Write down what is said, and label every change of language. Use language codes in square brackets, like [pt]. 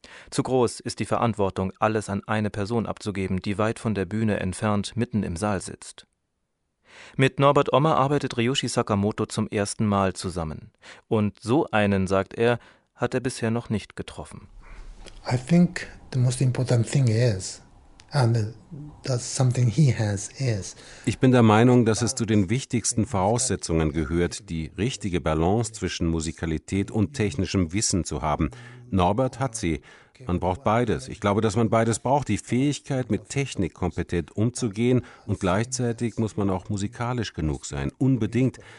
[de] Zu groß ist die Verantwortung, alles an eine Person abzugeben, die weit von der Bühne entfernt mitten im Saal sitzt. Mit Norbert Ommer arbeitet Ryuichi Sakamoto zum ersten Mal zusammen. Und so einen, sagt er, hat er bisher noch nicht getroffen. [en] I think the most important thing is, and that something he has is. [de] Ich bin der Meinung, dass es zu den wichtigsten Voraussetzungen gehört, die richtige Balance zwischen Musikalität und technischem Wissen zu haben. Norbert hat sie. Man braucht beides. Ich glaube, dass man beides braucht, die Fähigkeit, mit Technik kompetent umzugehen, und gleichzeitig muss man auch musikalisch genug sein, unbedingt.